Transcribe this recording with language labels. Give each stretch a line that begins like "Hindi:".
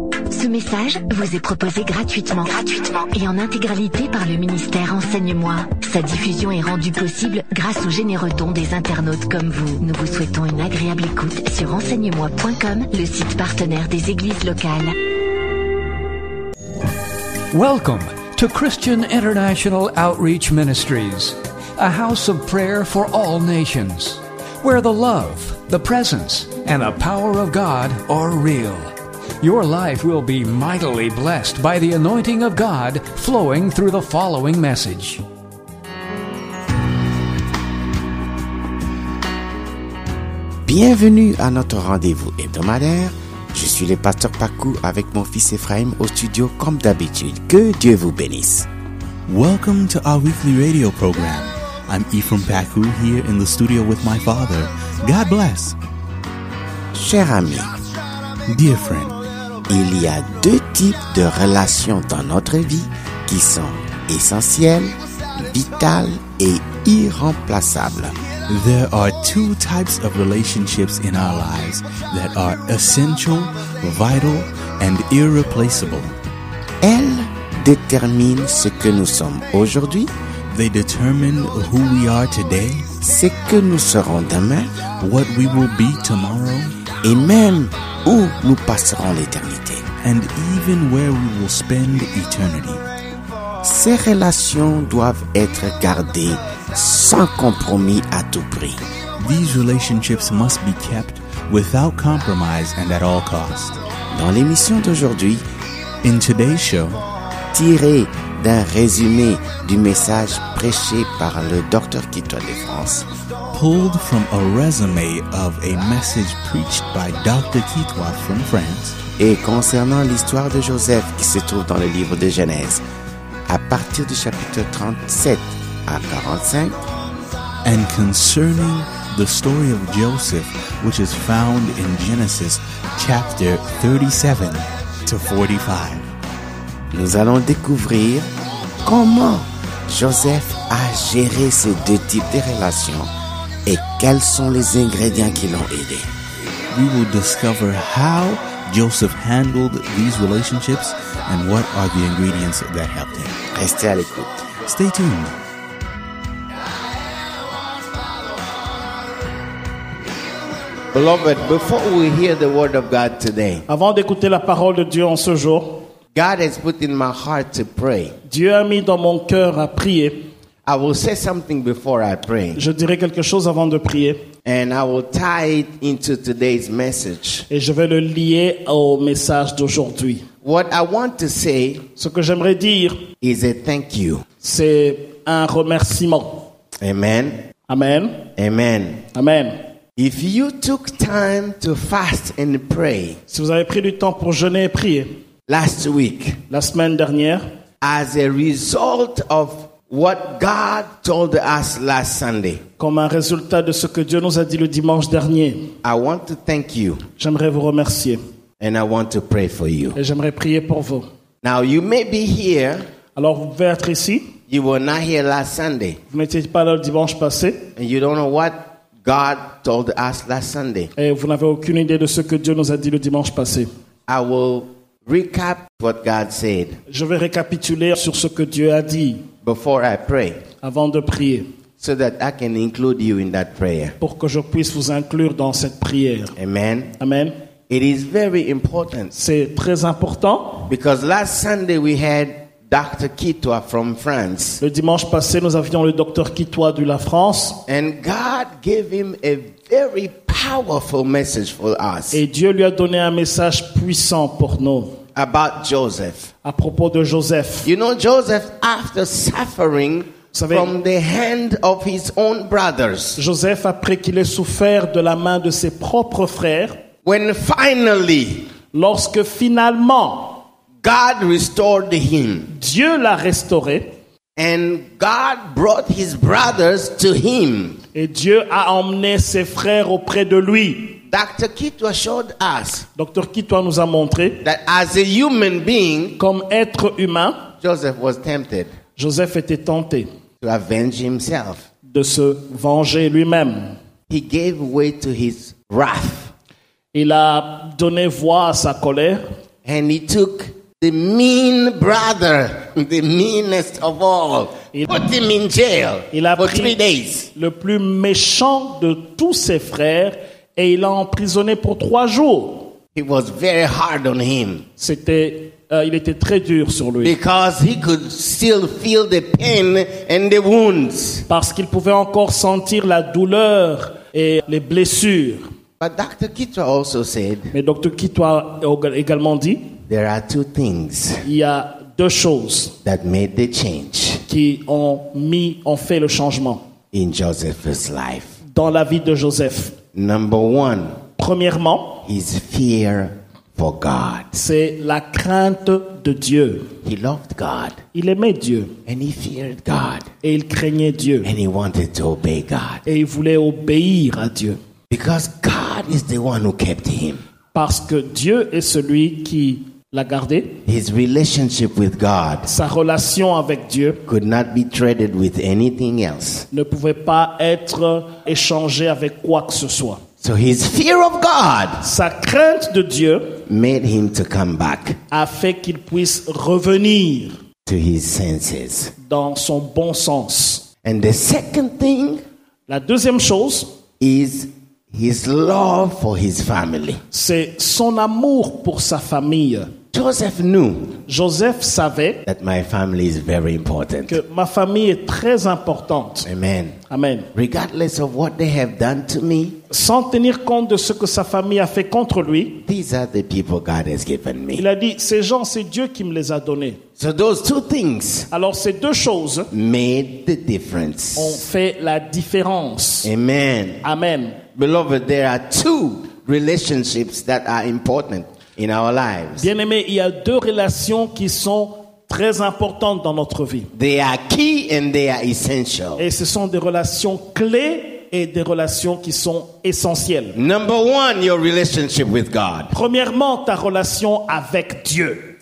French: Ce message vous est proposé gratuitement. Gratuitement. Et en intégralité par le ministère Enseigne-moi. Sa diffusion est rendue possible grâce aux généreux dons des internautes comme vous. Nous vous souhaitons une agréable écoute sur enseignemoi.com, le site partenaire des églises locales.
English: Welcome to Christian International Outreach Ministries, a house of prayer for all nations, where the love, the presence, and the power of God are real. Your life will be mightily blessed by the anointing of God flowing through the following message.
French: Bienvenue à notre rendez-vous hebdomadaire. Je suis le pasteur Pacou avec mon fils Ephraim au studio comme d'habitude. Que Dieu vous bénisse.
English: Welcome to our weekly radio program. I'm Ephraim Pacou here in the studio with my father. God bless.
French: Cher ami,
English: dear friend,
French: il y a deux types de relations dans notre vie qui sont essentielles, vitales et irremplaçables.
English: There are two types of relationships in our lives that are essential, vital, and irreplaceable.
French: Elles déterminent ce que nous sommes aujourd'hui.
English: They determine who we are today.
French: Ce que nous serons demain.
English: What we will be tomorrow.
French: Et même où nous passerons l'éternité.
English: And even where we will spend eternity.
French: Ces relations doivent être gardées sans compromis à tout prix.
English: These relationships must be kept without compromise and at all cost.
French: Dans l'émission d'aujourd'hui,
English: in today's show,
French: tiré d'un résumé du message prêché par le docteur Quito de France.
English: Pulled from a resume of a message preached by Dr. Quito from France.
French: Et concernant l'histoire de Joseph qui se trouve dans le livre de Genèse, à partir du chapitre 37 à 45.
English: And concerning the story of Joseph, which is found in Genesis chapter 37 to 45.
French: Nous allons découvrir comment Joseph a géré ces deux types de relations et quels sont les ingrédients qui l'ont aidé.
English: We will discover how Joseph handled these relationships and what are the ingredients that helped him.
French: Restez à l'écoute.
English: Stay tuned. Beloved, before we hear the word of God today,
French: avant d'écouter la parole de Dieu en ce jour,
English: God has put in my heart to pray.
French: Dieu a mis dans mon cœur à prier.
English: I will say something before I pray.
French: Je dirai quelque chose avant de prier.
English: And I will tie it into today's message.
French: Et je vais le lier au message d'aujourd'hui.
English: What I want to say,
French: ce que j'aimerais dire,
English: is a thank you.
French: C'est un remerciement.
English: Amen.
French: Amen.
English: Amen.
French: Amen.
English: If you took time to fast and pray,
French: si vous avez pris du temps pour jeûner et prier,
English: last week,
French: la semaine dernière,
English: as a result of what God told us last Sunday,
French: comme un résultat de ce que Dieu nous a dit le dimanche dernier,
English: I want to thank you.
French: J'aimerais vous remercier.
English: And I want to pray for you.
French: Et j'aimerais prier pour vous.
English: Now you may be here.
French: Alors vous pouvez être ici.
English: You were not here last Sunday.
French: Vous n'étiez pas là le dimanche passé.
English: And you don't know what God told us last Sunday.
French: Et vous n'avez aucune idée de ce que Dieu nous a dit le dimanche passé.
English: I will recap what God said.
French: Je vais récapituler sur ce que Dieu a dit.
English: Before I pray.
French: Avant de prier.
English: So that I can include you in that prayer.
French: Pour que je puisse vous inclure dans cette prière.
English: Amen.
French: Amen.
English: It is very important.
French: C'est très important.
English: Because last Sunday we had Dr. Kitwa from France.
French: Le dimanche passé, nous avions le docteur Kitwa de la France.
English: And God gave him a very powerful message for us.
French: Et Dieu lui a donné un message puissant pour nous.
English: About Joseph.
French: À propos de Joseph.
English: You know Joseph after suffering from the hand of his own brothers.
French: Joseph après qu'il ait souffert de la main de ses propres frères.
English: When finally.
French: Lorsque finalement.
English: God restored him.
French: Dieu l'a restauré.
English: And God brought his brothers to him.
French: Et Dieu a emmené ses frères auprès de lui.
English: Dr. Kitwa showed us.
French: Docteur Kitwa nous a montré.
English: That as a human being.
French: Comme être humain.
English: Joseph was tempted.
French: Joseph était tenté.
English: To avenge himself.
French: De se venger lui-même.
English: He gave way to his wrath.
French: Il a donné voix à sa colère.
English: And he took the mean brother, the meanest of all. Put him in jail for 3 days.
French: Le plus méchant de tous ses frères et il l'a emprisonné pour 3 jours.
English: It was very hard on him.
French: C'était il était très dur sur lui.
English: Because he could still feel the pain and the wounds.
French: Parce qu'il pouvait encore sentir la douleur et les blessures.
English: But Dr. Kitwa also said.
French: Mais Dr. Kitwa également dit.
English: There are two things.
French: Il y a deux choses.
English: That made the change.
French: Qui ont fait le changement.
English: In Joseph's life.
French: Dans la vie de Joseph.
English: Number one.
French: Premièrement,
English: his fear for God.
French: C'est la crainte de Dieu.
English: He loved God.
French: Il aimait Dieu.
English: And he feared God.
French: Et il craignait Dieu.
English: And he wanted to obey God.
French: Et il voulait obéir à Dieu.
English: Because God is the one who kept him.
French: Parce que Dieu est celui qui l'a gardé.
English: His relationship with God.
French: Sa relation avec Dieu.
English: Could not be traded with anything else.
French: Ne pouvait pas être échangé avec quoi que ce soit.
English: So his fear of God,
French: sa crainte de Dieu,
English: made him to come back,
French: a fait qu'il puisse revenir,
English: to his senses,
French: dans son bon sens.
English: And the second thing,
French: la deuxième chose,
English: is his love for his family.
French: C'est son amour pour sa famille.
English: Joseph knew,
French: Joseph savait,
English: that my family is very important,
French: que ma famille est très importante.
English: Amen.
French: Amen.
English: Regardless of what they have done to me,
French: sans tenir compte de ce que sa famille a fait contre lui,
English: these are the people God has given me.
French: Il a dit, ces gens, c'est Dieu qui me les a donnés.
English: So those two things,
French: alors ces deux choses,
English: made the difference,
French: ont fait la différence.
English: Amen.
French: Amen.
English: Beloved, there are two relationships that are important in our lives.
French: Bien-aimés, il y a deux relations qui sont très importantes dans notre vie.
English: They are key and they are essential.
French: Et ce sont des relations clés et des relations qui sont essentielles.
English: Number one, your relationship with God.
French: Premièrement, ta relation avec Dieu.